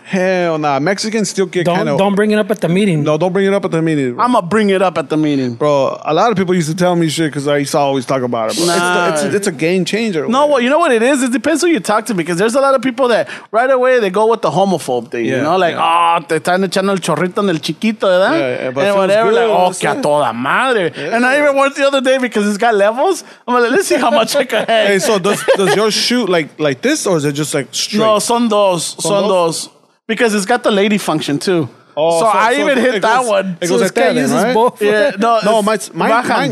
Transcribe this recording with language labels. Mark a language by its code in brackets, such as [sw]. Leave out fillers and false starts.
[en] Hell nah. Mexicans still get kind of... Don't bring it up at the meeting. No, don't bring it up at the meeting. I'm going to bring it up at the meeting. Bro, a lot of people used to tell me shit because I used to always talk about it. Bro. Nah. It's a game changer. No, well, you know what it is? It depends who you talk to because there's a lot of people that right away they go with the homophobe thing, you know? [es] Like, oh, te están echando el chorrito en el chiquito, ¿verdad? [en] Yeah, and whatever, like, oh, [es] que a toda madre. [en] Yeah. And I even went the other day because it's got levels. I'm like, let's see how much I can have. Hey, so does yours shoot like this or is it just like straight? [es] No, son dos. [en] Because it's got the lady function too. Oh, So I even hit that one. It goes like that, right?